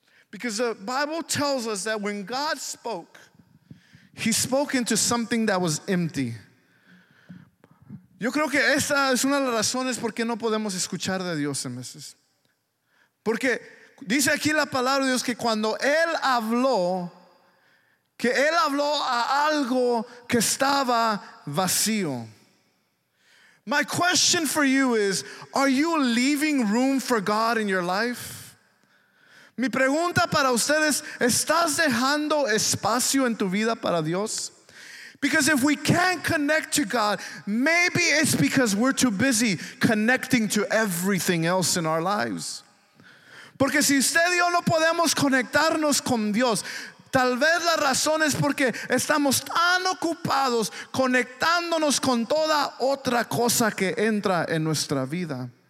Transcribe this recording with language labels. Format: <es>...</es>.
<en>Because the Bible tells us that when God spoke, he spoke into something that was empty.</en> <es>Yo creo que esta es una de las razones por qué no podemos escuchar de Dios en veces. Porque dice aquí la palabra de Dios que cuando Él habló a algo que estaba vacío.</es> <en>My question for you is, are you leaving room for God in your life?</en> <es>Mi pregunta para ustedes, ¿estás dejando espacio en tu vida para Dios?</es> <en>Because if we can't connect to God, maybe it's because we're too busy connecting to everything else in our lives.</en> <es>Porque si usted y yo no podemos conectarnos con Dios, tal vez la razón es porque estamos tan ocupados conectándonos con toda otra cosa que entra en nuestra vida.</es>